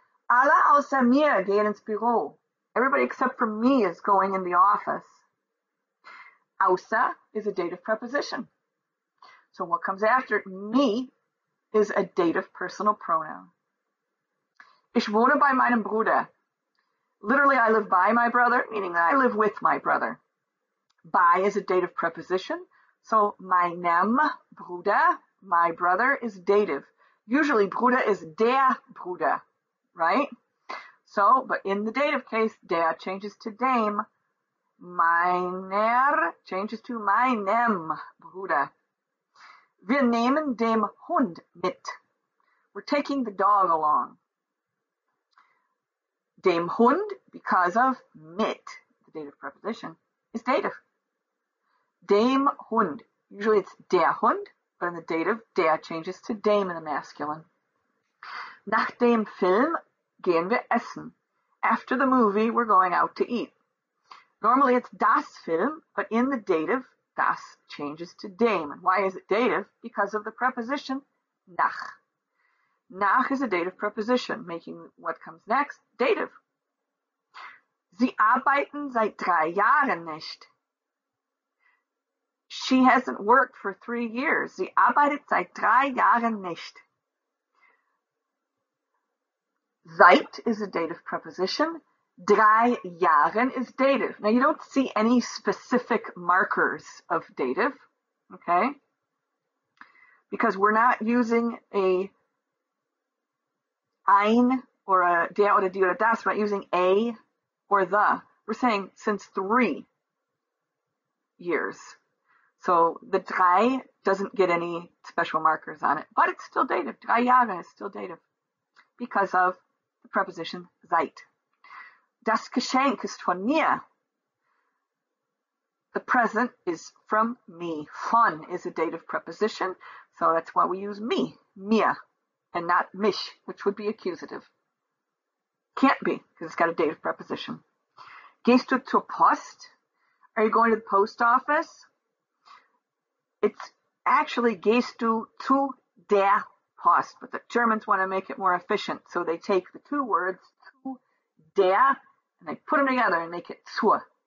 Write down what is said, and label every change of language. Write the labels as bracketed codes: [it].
[de] Alle außer mir gehen ins Büro. [en] Everybody except for me is going in the office. Außer is a dative preposition. So what comes after me is a dative personal pronoun. [de] Ich wohne bei meinem Bruder. [en] Literally, I live by my brother, meaning I live with my brother. By is a dative preposition. So, meinem Bruder, my brother, is dative. Usually, Bruder is der Bruder, right? So, but in the dative case, der changes to dem. Meiner changes to meinem Bruder. [de] Wir nehmen dem Hund mit. [en] We're taking the dog along. Dem Hund, because of mit, the dative preposition, is dative. Dem Hund. Usually it's der Hund, but in the dative, der changes to dem in the masculine. [de] Nach dem Film gehen wir essen. [en] After the movie, we're going out to eat. Normally it's das Film, but in the dative, das changes to dem. And why is it dative? Because of the preposition nach. Nach is a dative preposition, making what comes next dative. [de] Sie arbeiten seit 3 Jahren nicht. [en] She hasn't worked for 3 years. [de] Sie arbeitet seit 3 Jahren nicht. [en] Seit is a dative preposition. 3 Jahren is dative. Now, you don't see any specific markers of dative, okay? Because we're not using a ein or a [de] der oder die oder das. [en] We're not using a or the. We're saying since 3 years. So the 3 doesn't get any special markers on it, but it's still dative. 3 Jahre is still dative because of the preposition seit. [de] Das Geschenk ist von mir. [en] The present is from me. Von is a dative preposition, so that's why we use me, mir, and not mich, which would be accusative. Can't be, because it's got a dative preposition. [de] Gehst du zur Post? [en] Are you going to the post office? It's actually gehst du zu der Post, but the Germans want to make it more efficient, so they take the two words zu der and they put them together and make it zur.